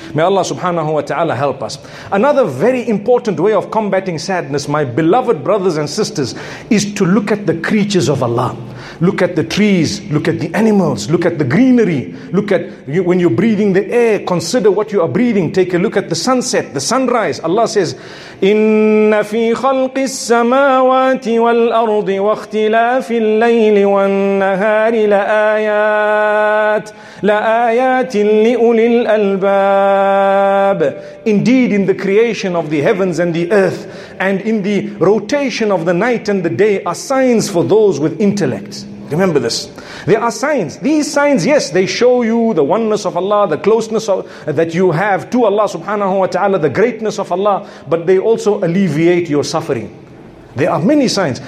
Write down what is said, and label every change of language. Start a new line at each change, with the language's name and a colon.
English: May Allah subhanahu wa ta'ala help us. Another very important way of combating sadness, my beloved brothers and sisters, is to look at the creatures of Allah. Look at the trees, look at the animals, look at the greenery. Look at when you're breathing the air, consider what you are breathing. Take a look at the sunset, the sunrise. Allah says,
Arabic: إِنَّ فِي خَلْقِ السَّمَاوَاتِ وَالْأَرْضِ وَاخْتِلَافِ اللَّيْلِ وَالنَّهَارِ لَآيَاتٍ لِأُولِي الْأَلْبَابِ.
English: Indeed, in the creation of the heavens and the earth, and in the rotation of the night and the day, are signs for those with intellect. Remember this. There are signs. These signs, yes, they show you the oneness of Allah, the closeness of, that you have to Allah subhanahu wa ta'ala, the greatness of Allah, but they also alleviate your suffering. There are many signs.